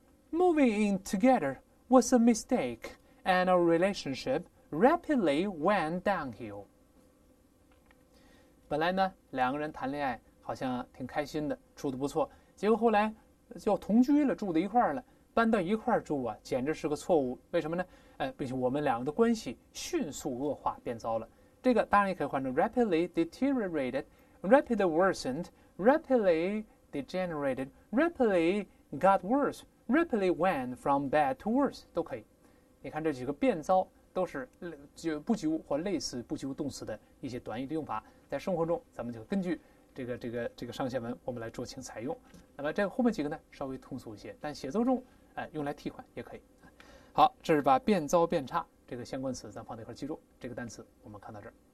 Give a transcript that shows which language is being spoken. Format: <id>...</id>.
<en>Moving in together was a mistake and our relationship rapidly went downhill.</en> <zh>本来呢两个人谈恋爱好像挺开心的，处得不错。结果后来就同居了，住在一块儿了。搬到一块儿住啊，简直是个错误。为什么呢？并且我们两个的关系迅速恶化变糟了。这个当然也可以换成</zh> <en>rapidly deteriorated, rapidly worsened, rapidly degenerated, rapidly got worse, rapidly went from bad to worse,</en> <zh>都可以。你看这几个变糟都是不及物或类似不及物动词的一些短语的用法，在生活中咱们就根据这个上下文我们来酌情采用。那么这后面几个呢稍微通俗一些，但写作中用来替换也可以。好，这是把变糟变差这个相关词咱放在一块记住，这个单词我们看到这儿。</zh>